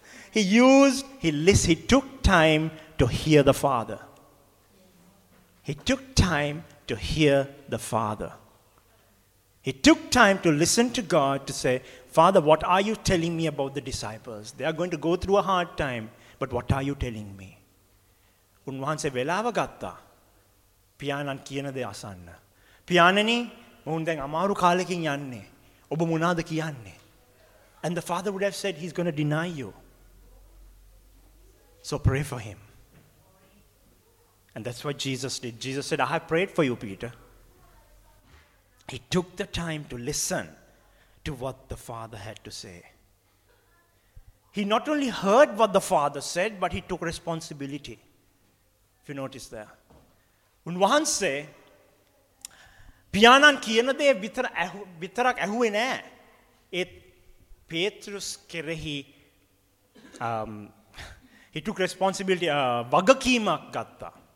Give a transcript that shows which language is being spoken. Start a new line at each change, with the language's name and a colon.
English: He took time to hear the Father. He took time to listen to God to say, Father, what are you telling me about the disciples? They are going to go through a hard time. But what are you telling me?
Sinhala: උන්වහන්සේ වෙලාව ගත්තා පියාණන් කියන දේ අසන්න. පියාණනි, මොහුන් දැන් අමාරු කාලෙකින් යන්නේ. ඔබ මොනවාද කියන්නේ?
English: And the father would have said he's going to deny you. So pray for him. And that's what Jesus did. Jesus said, I have prayed for you, Peter. He took the time to listen to what the father had to say. He not only heard what the father said, but he took responsibility. If you notice there.
Sinhala: උන්වහන්සේ පියාණන් කියන දේ විතරක් ඇහුවේ නෑ. ඒත් පේත්‍රස් කෙරෙහි
English: he took responsibility,
Sinhala: වගකීමක් ගත්තා.